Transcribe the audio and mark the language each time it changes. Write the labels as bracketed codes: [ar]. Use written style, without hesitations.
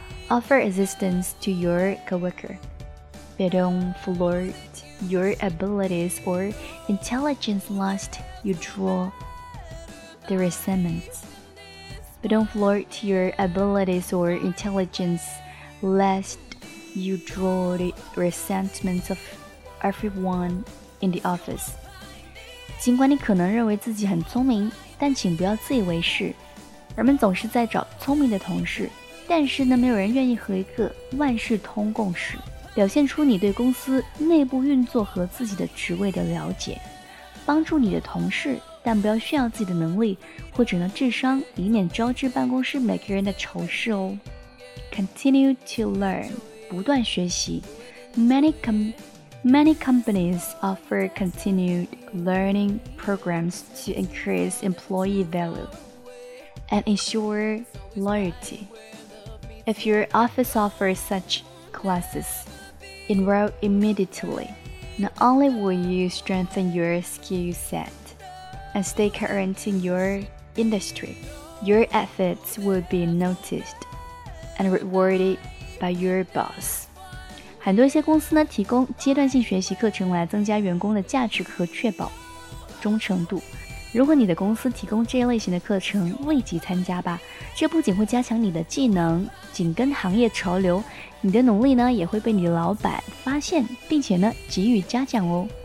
[en] Offer assistance to your coworker, but don't flaunt your abilities or intelligence lest you draw the resentment. But don't flaunt your abilities or intelligence lest you draw the resentment of everyone in the office. [zh] 尽管你可能认为自己很聪明，但请不要自以为是。人们总是在找聪明的同事，但是呢，没有人愿意和一个万事通共事。表现出你对公司内部运作和自己的职位的了解，帮助你的同事，但不要炫耀自己的能力或者呢智商，以免招致办公室每个人的仇视哦。 [en] Continue to learn， [zh] 不断学习。 [en] Many companies offer continued learning programs to increase employee value and ensure loyalty. If your office offers such classes, enroll immediately. Not only will you strengthen your skill set and stay current in your industry, your efforts will be noticed and rewarded by your boss. [zh] 很多一些公司呢提供阶段性学习课程来增加员工的价值和确保忠诚度。如果你的公司提供这一类型的课程，立即参加吧。这不仅会加强你的技能，紧跟行业潮流，你的努力呢也会被你的老板发现，并且呢给予嘉奖哦。